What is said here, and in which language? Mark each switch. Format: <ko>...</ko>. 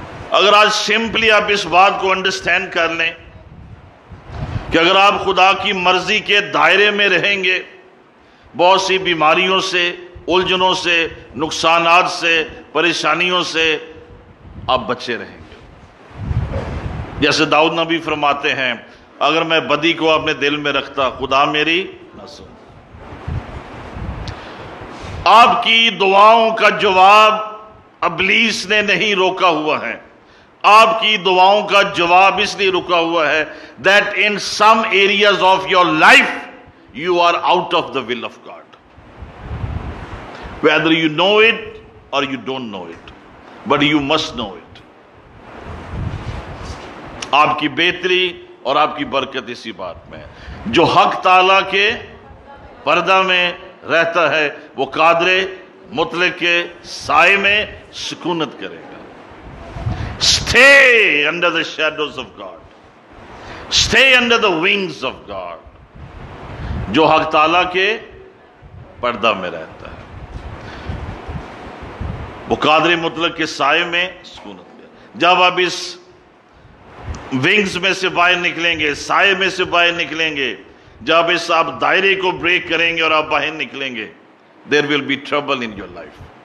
<ur>اگر آج سمپلی آپ اس بات کو انڈرسٹینڈ کر لیں کہ اگر آپ خدا کی مرضی کے دائرے میں رہیں گے, بہت سی بیماریوں سے, الجھنوں سے, نقصانات سے, پریشانیوں سے آپ بچے رہیں گے. جیسے داؤد نبی فرماتے ہیں, اگر میں بدی کو اپنے دل میں رکھتا, خدا میری نہ سن. آپ کی دعاؤں کا جواب ابلیس نے نہیں روکا ہوا ہے. آپ کی دعاؤں کا جواب اس لیے رکا ہوا ہے</ur> <en>that in some areas of your life you are out of the will of God. Whether you know it or you don't know it, but you must know it.</en> <ur>آپ کی بہتری اور آپ کی برکت اسی بات میں. جو حق تعالی کے پردہ میں رہتا ہے وہ قادر مطلق کے سائے میں سکونت کرے گا.</ur> <en>Stay under the shadows of God. Stay under the wings of God.</en> <ur>جو حق تعالی کے پردہ میں رہتا ہے وہ قادر مطلق کے سائے میں سکونت کرے. جب آپ اس ونگز میں سے باہر نکلیں گے, سائے میں سے باہر نکلیں گے, جب اس آپ دائرے کو بریک کریں گے اور آپ باہر نکلیں گے,</ur> <en>There will be trouble in your life.</en>